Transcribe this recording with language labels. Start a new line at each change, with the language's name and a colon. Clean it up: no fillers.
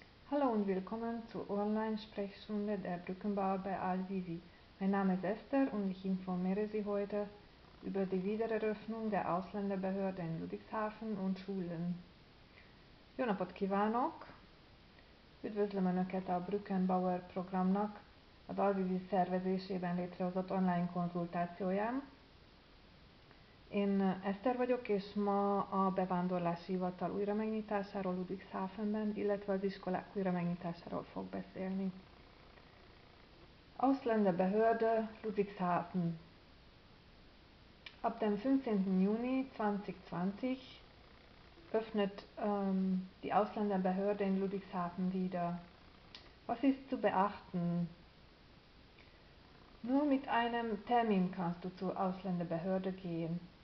German: Hallo und willkommen zur Online-Sprechstunde der Brückenbauer bei Al-Wisi. Mein Name ist Esther und ich informiere Sie heute über die Wiedereröffnung der Ausländerbehörde in Ludwigshafen und Schulen.
Hungarian: Jona Potkivanok, üdvözlöm Önöket a Brückenbauer Programmnak, az Al-Wisi szervezésében létrehozott online konzultációján. Én Eszter vagyok, és ma a bevándorlási hivatal újra megnyitásáról Ludwigshafenben, illetve az iskolák újra megnyitásáról fog beszélni.
German: Ausländerbehörde Ludwigshafen. Ab dem 15. Juni 2020 öffnet die Ausländerbehörde in Ludwigshafen wieder. Was ist zu beachten? Nur mit einem Termin kannst du zur Ausländerbehörde gehen.